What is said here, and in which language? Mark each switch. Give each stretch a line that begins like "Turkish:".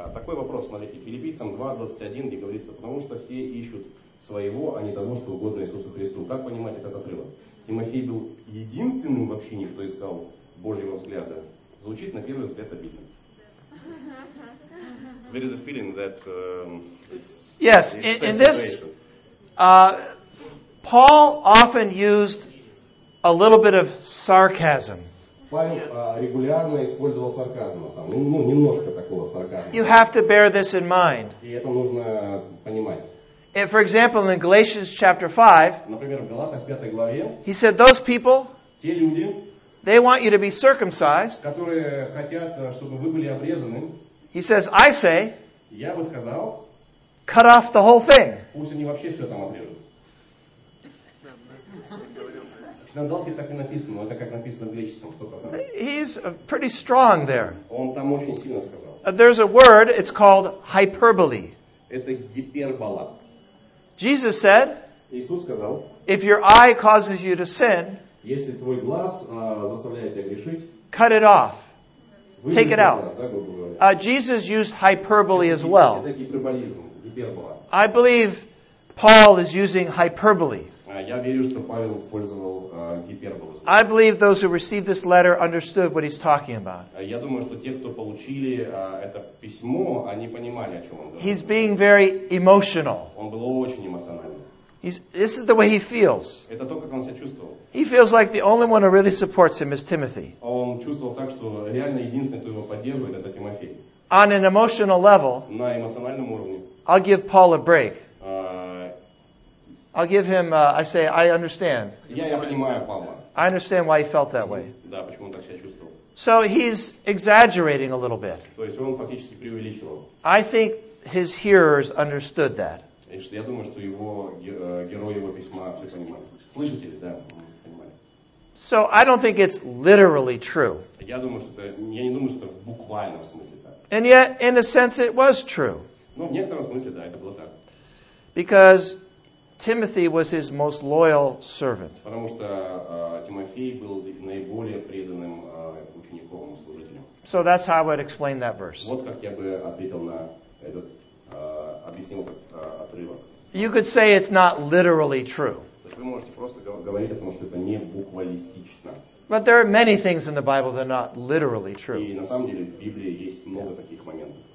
Russian: Такой вопрос, смотрите, Филиппийцам 2:21, где говорится, потому что все ищут своего, а не того, что угодно Иисусу Христу. Как понимать этот отрывок? Тимофей был единственным вообще никто искал Божьего взгляда. Звучит на первый взгляд обидно.
English: There is a feeling that it's yes, it's in this, Paul often used a little bit of sarcasm.
Russian: Регулярно использовал сарказм, ну немножко такого сарказма.
English: You have to bear this in mind.
Russian: И это нужно понимать.
English: If, for example, in Galatians chapter 5,
Russian: например, в Галатах 5 главе,
English: he said those people,
Russian: те люди,
English: they want you to be circumcised,
Russian: которые хотят, чтобы вы были обрезаны.
English: He says, I say,
Russian: я бы сказал,
English: cut off the whole thing.
Russian: Пусть они вообще все там обрежут.
English: He's pretty strong there.
Russian: Он там очень сильно сказал.
English: There's a word, it's called hyperbole.
Russian: Это гипербола.
English: Jesus said,
Russian: Иисус сказал,
English: if your eye causes you to sin,
Russian: если твой глаз, заставляет тебя грешить,
English: cut it off. Take it out.
Russian: Да,
English: Jesus used hyperbole
Russian: это,
English: as well.
Russian: Это гиперболизм, гипербола.
English: I believe Paul is using hyperbole.
Russian: Я верю, что Павел использовал гиперболу.
English: I believe those who received this letter understood what he's talking about.
Russian: Я думаю, что те, кто получили это письмо, они понимали, о чем он говорит.
English: He's being very emotional.
Russian: Он был очень эмоциональным.
English: This is the way he feels.
Russian: Это то, как он себя чувствовал.
English: He feels like the only one who really supports him is Timothy.
Russian: Он чувствовал так, что реально единственный, кто его поддерживает, это Тимофей.
English: On an emotional level,
Russian: на эмоциональном уровне,
English: I'll give Paul a break. I'll give him, I say, I understand.
Russian: Я понимаю, Павла.
English: I understand why he felt that way.
Russian: Да, почему он так себя чувствовал.
English: So he's exaggerating a little bit.
Russian: То есть он фактически преувеличивал.
English: I think his hearers understood that.
Russian: Я думаю, что его, герой его письма все понимает. Слышите ли, да?
English: So I don't think it's literally true.
Russian: Я думаю, что это, я не думаю, что это в буквальном смысле так.
English: And yet, in a sense, it was true.
Russian: Ну, в некотором смысле, да, это было так.
English: Because Timothy was his most loyal servant.
Russian: Потому что Тимофей был наиболее преданным учеником, служителем.
English: So that's how I would explain that verse.
Russian: Вот как я бы ответил на этот, объяснил этот отрывок.
English: You could say it's not literally true.
Russian: То есть вы можете просто говорить о том, что это не буквалистично.
English: But there are many things in the Bible that are not literally true.
Russian: И на самом деле в Библии есть много таких моментов.